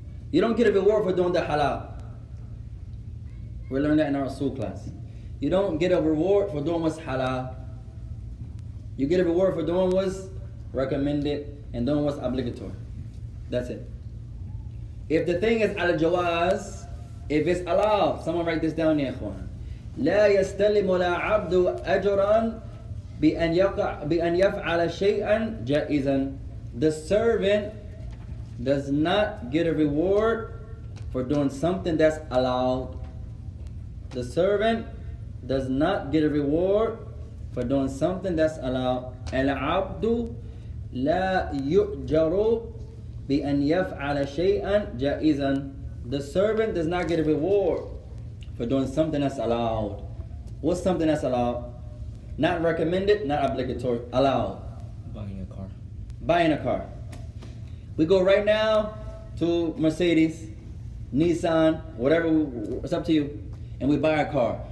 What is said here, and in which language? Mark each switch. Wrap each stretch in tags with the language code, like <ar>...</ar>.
<en>You don't get a reward for doing the halal. We learned that in our soul class. You don't get a reward for doing what's halal. You get a reward for doing what's recommended and doing what's obligatory. That's it. If the thing is al-jawaz, if it's allowed, someone write this down, ikhwan.</en> <ar>لا يستلم لا عبد أجرا بأن يقع بأن يفعل شيئا جائزا.</ar> <en>The servant does not get a reward for doing something that's allowed. The servant does not get a reward for doing something that's allowed.</en> <ar>العبد لا يؤجر بأن يفعل شيئا جائزا.</ar> <en>The servant does not get a reward for doing something that's allowed. What's something that's allowed? Not recommended, not obligatory, allowed. Buying a car. Buying a car. We go right now to Mercedes, Nissan, whatever, it's up to you, and we buy a car.</en>